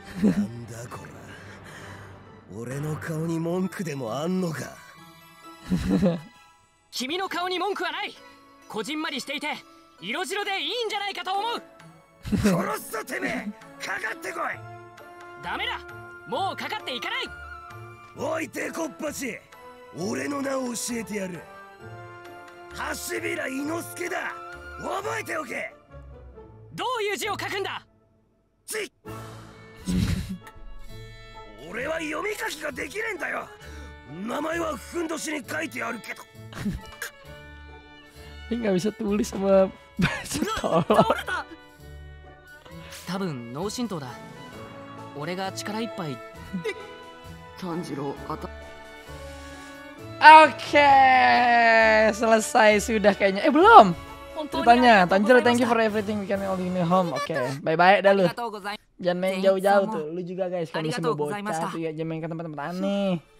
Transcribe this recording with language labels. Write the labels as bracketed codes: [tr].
[ja] なんだこら。俺の顔に文句でもあんのか。君の顔に文句はない。こじんまりしていて色白でいいんじゃないかと思う。殺すぞてめえ。かかってこい。ダメだ。もうかかっていかない。おいてこっぱち。俺の名を教えてやる。橋平伊之助だ。覚えておけ。どういう字を書くんだ。ちっ。俺は読み書きができねえんだよ。名前はふんどしに書いてあるけど。 [id] Enggak bisa tulis sama bahasa Tolong。 [ja] 多分脳震盪だ。俺が力いっぱい。炭治郎、あた。 [id] Okay, selesai sudah kayaknya. Eh belum. [en] Ceritanya, Tanjiro, thank you for everything we can all in the home. [id] Okay, bye bye dah lu. Jangan main jauh-jauh tuh. Lu juga guys, kalau bisa bocah tuh ya, jangan main ke tempat-tempat aneh.